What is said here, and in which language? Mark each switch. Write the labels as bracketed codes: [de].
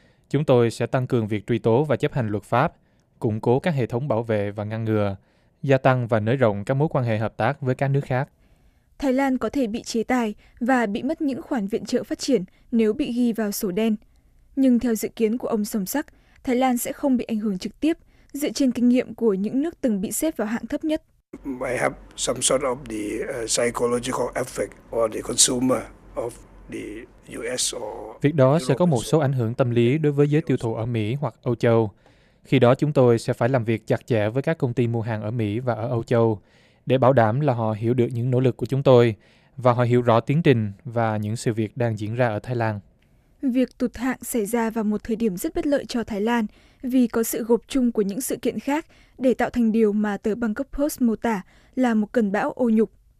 [vi] Chúng tôi sẽ tăng cường việc truy tố và chấp hành luật pháp, củng cố các hệ thống bảo vệ và ngăn ngừa, gia tăng và nới rộng các mối quan hệ hợp tác với các nước khác. Thái Lan có thể bị chế tài và bị mất những khoản viện trợ phát triển nếu bị ghi vào sổ đen. Nhưng theo dự kiến của ông Song Sak, Thái Lan sẽ không bị ảnh hưởng trực tiếp dựa trên kinh nghiệm của những nước từng bị xếp vào hạng thấp nhất. [en] I have some sort of the psychological effect on the consumer of the US or [vi] Việc đó sẽ có một số ảnh hưởng tâm lý đối với giới tiêu thụ ở Mỹ hoặc Âu Châu. Khi đó chúng tôi sẽ phải làm việc chặt chẽ với các công ty mua hàng ở Mỹ và ở Âu Châu để bảo đảm là họ hiểu được những nỗ lực của chúng tôi và họ hiểu rõ tiến trình và những sự việc đang diễn ra ở Thái Lan. Việc tụt hạng xảy ra vào một thời điểm rất bất lợi cho Thái Lan vì có sự gộp chung của những sự kiện khác để tạo thành điều mà tờ Bangkok Post mô tả là một cơn bão ô nhục.